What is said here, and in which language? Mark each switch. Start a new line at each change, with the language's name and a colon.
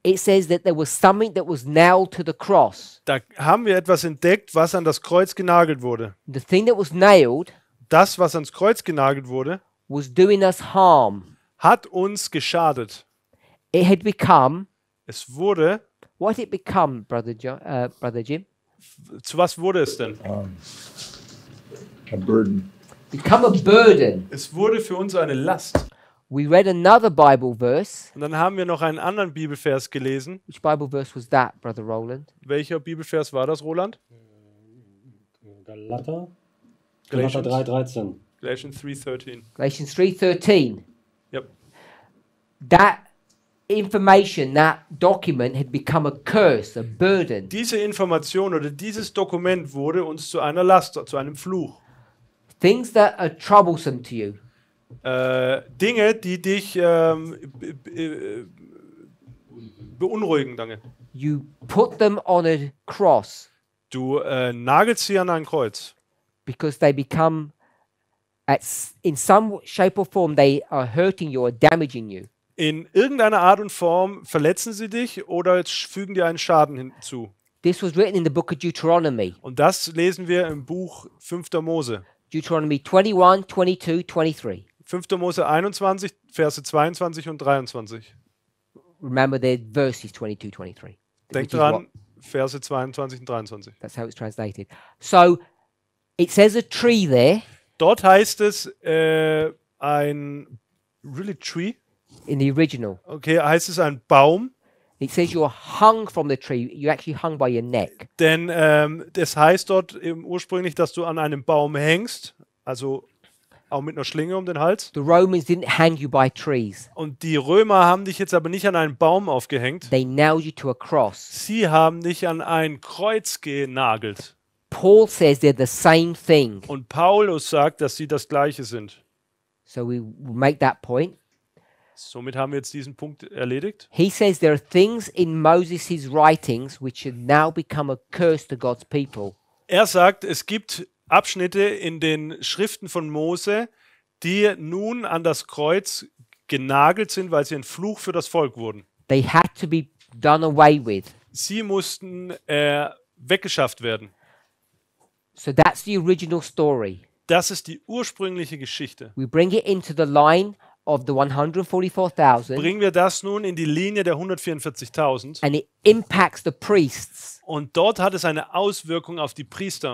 English: it says that there was something that was nailed to the cross.
German: Da haben wir etwas entdeckt, was an das Kreuz genagelt wurde.
English: The thing that was nailed,
German: das, was ans Kreuz genagelt wurde,
English: was doing us harm.
German: Hat uns geschadet.
English: It had become.
German: Es wurde.
English: What had it become, Brother Jim?
German: Zu was wurde es denn?
English: A burden. Become a burden.
German: Es wurde für uns eine Last.
English: We read another Bible verse.
German: Und dann haben wir noch einen anderen Bibelvers gelesen.
English: Which Bible verse was that, Brother Roland?
German: Welcher Bibelvers war das, Roland? Galater. Galater 3:13.
English: Galatians 3:13. That information, that document had become a curse, a burden.
German: Diese Information oder dieses Dokument wurde uns zu einer Last, zu einem Fluch.
English: Things that are troublesome to you.
German: Dinge, die dich beunruhigen, danke.
English: You put them on a cross.
German: Du nagelst sie an ein Kreuz.
English: Because they become, in some shape or form, they are hurting you or damaging you.
German: In irgendeiner Art und Form verletzen sie dich oder fügen dir einen Schaden hinzu.
English: This was written in the book of Deuteronomy.
German: Und das lesen wir im Buch 5. Mose.
English: Deuteronomy 21, 22, 23.
German: 5. Mose 21, Verse 22 und 23.
English: Remember the verses 22, 23.
German: Denk dran, Verse 22 und 23.
English: That's how it's translated. So, it says a tree there.
German: Dort heißt es ein
English: really tree. In the original.
German: Okay, heißt es ein Baum.
English: It says you're hung from the tree. You're actually hung by your neck.
German: Denn das heißt dort ursprünglich, dass du an einem Baum hängst, also auch mit einer Schlinge um den Hals.
English: The Romans didn't hang you by trees.
German: Und die Römer haben dich jetzt aber nicht an einen Baum aufgehängt.
English: They nailed you to a cross.
German: Sie haben dich an ein Kreuz genagelt.
English: Paul says they're the same thing.
German: Und Paulus sagt, dass sie das Gleiche sind.
English: So we make that point.
German: Somit haben wir jetzt diesen Punkt erledigt.
English: He says there are things in Moses' writings which have now become a curse to God's people.
German: Er sagt, es gibt Abschnitte in den Schriften von Mose, die nun an das Kreuz genagelt sind, weil sie ein Fluch für das Volk wurden.
English: They had to be done away with.
German: Sie mussten weggeschafft werden.
English: So that's the original story.
German: Das ist die ursprüngliche Geschichte.
English: We bring it into the line of the 144,000.
German: Bringen wir das nun in die Linie der 144.000.
English: And it impacts the priests.
German: Und dort hat es eine Auswirkung auf die Priester.